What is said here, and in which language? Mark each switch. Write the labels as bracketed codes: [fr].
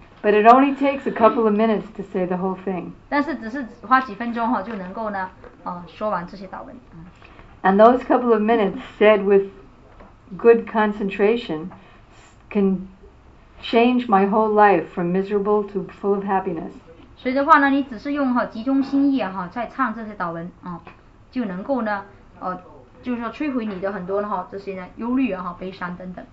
[en] But it only takes a couple of minutes to say the whole thing. [zh] 但是只是花几分钟哈就能够呢，说完这些祷文。 [en] And those couple of minutes said with good concentration can change my whole life from miserable to full of happiness. [zh] 所以的话呢，你只是用哈集中心意哈在唱这些祷文啊，就能够呢，就是说摧毁你的很多哈这些呢忧虑哈悲伤等等。